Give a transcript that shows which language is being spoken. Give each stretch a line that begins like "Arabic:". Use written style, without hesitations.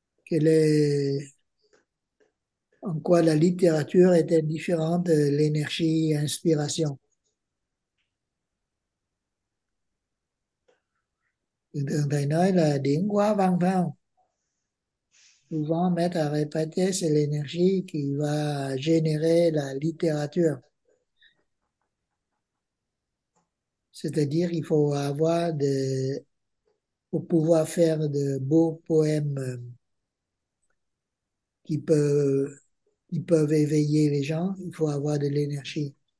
French: En quoi la littérature est-elle différente de l'énergie et l'inspiration?
Vietnamese: Thường thường thầy nói là điển hóa văn, phải không?
French: Souvent, maître a répété, c'est l'énergie qui va générer la littérature. C'est-à-dire, il faut avoir de... pour pouvoir faire de beaux poèmes qui peuvent éveiller les gens, il faut avoir de l'énergie.